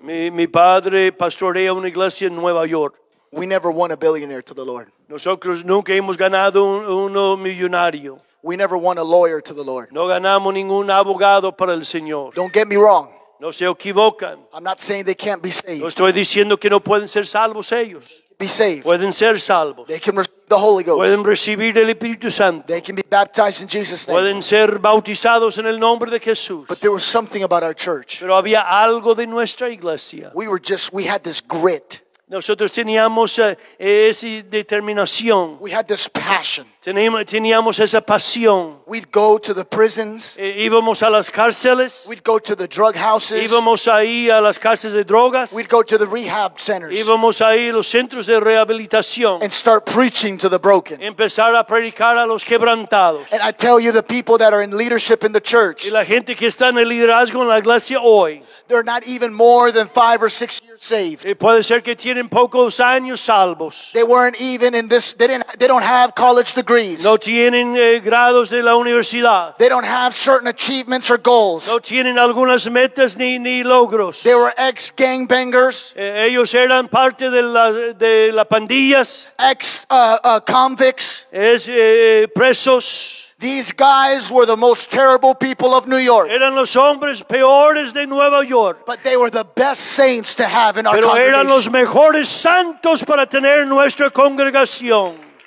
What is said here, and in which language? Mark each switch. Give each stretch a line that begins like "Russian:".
Spanish: Mi padre pastorea una iglesia en Nueva York.
English: We never won a billionaire to the Lord.
Spanish: Nosotros nunca hemos ganado uno millonario.
English: We never won a lawyer to the Lord.
Spanish: No ganamos ningún abogado para el Señor.
English: Don't get me wrong.
Spanish: No se equivocan.
English: I'm not saying they can't be saved.
Spanish: No estoy diciendo que no pueden ser salvos ellos.
English: Be saved.
Spanish: Pueden ser salvos.
English: They can receive the Holy Ghost.
Spanish: Pueden recibir el Espíritu Santo.
English: They can be baptized in Jesus' name.
Spanish: Pueden ser bautizados en el nombre de Jesús.
English: But there was something about our church.
Spanish: Pero había algo de nuestra iglesia.
English: We had this grit.
Spanish: Nosotros teníamos esa determinación.
English: We had this passion.
Spanish: Teníamos esa pasión.
English: We'd go to the prisons.
Spanish: Íbamos a las cárceles.
English: We'd go to the drug houses.
Spanish: Íbamos ahí a las casas de drogas.
English: We'd go to the rehab centers.
Spanish: Íbamos ahí a los centros de rehabilitación.
English: And start preaching to the broken.
Spanish: Empezar a predicar a los quebrantados.
English: And I tell you, the people that are in leadership in the church.
Spanish: Y la gente que está en el liderazgo en la iglesia hoy.
English: They're not even more than 5 or 6 years saved.
Spanish: Y puede ser que tienen pocos años salvos.
English: They weren't even in this. They don't have college degrees.
Spanish: No tienen grados de la universidad.
English: They don't have certain achievements or goals.
Spanish: No tienen algunas metas ni logros.
English: They were ex-gangbangers.
Spanish: Ellos eran parte de la pandillas.
English: Ex-convicts.
Spanish: Presos.
English: These guys were the most terrible people of New York.
Spanish: Eran los hombres peores de Nueva York.
English: But they were the best saints to have in
Spanish: Pero
English: our congregation.
Spanish: Eran los mejores santos para tener en nuestra congregación.